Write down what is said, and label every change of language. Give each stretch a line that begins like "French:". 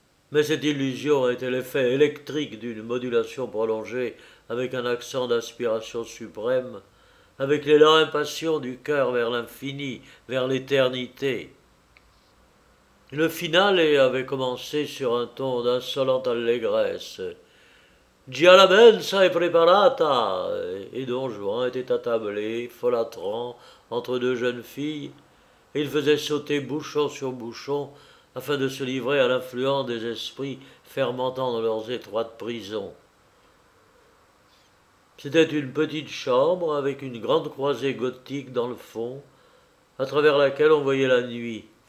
French: Mais cette illusion était l'effet électrique d'une modulation prolongée avec un accent d'aspiration suprême, avec l'élan impatient du cœur vers l'infini, vers l'éternité. Le finale avait commencé sur un ton d'insolente allégresse.
Italian: « Già la mensa è preparata !»
French: Et Don Juan était attablé, folâtrant, entre deux jeunes filles, et il faisait sauter bouchon sur bouchon afin de se livrer à l'influence des esprits fermentant dans leurs étroites prisons. C'était une petite chambre avec une grande croisée gothique dans le fond, à travers laquelle on voyait la nuit.